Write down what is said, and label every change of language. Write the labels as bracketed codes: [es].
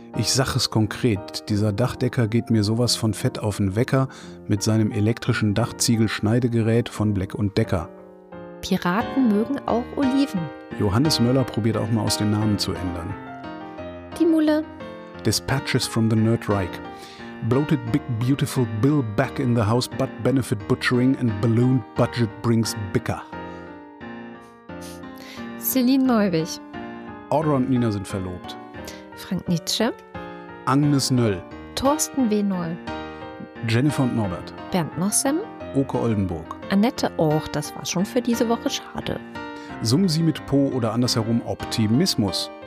[de] Ich sag es konkret, dieser Dachdecker geht mir sowas von fett auf den Wecker mit seinem elektrischen Dachziegelschneidegerät von Black und Decker. Piraten mögen auch Oliven. Johannes Möller probiert auch mal aus den Namen zu ändern. Die Mulle. [en] Dispatches from the Nerd Reich. Bloated big beautiful Bill back in the house but benefit butchering and balloon budget brings bicker. [de] Celine Neubig. Audra und Nina sind verlobt. Frank Nietzsche. Agnes Nöll. Thorsten W. Noll. Jennifer und Norbert. Bernd Nossem. Oke Oldenburg. Annette Och, das war schon für diese Woche, schade. Summen Sie mit Po oder andersherum Optimismus.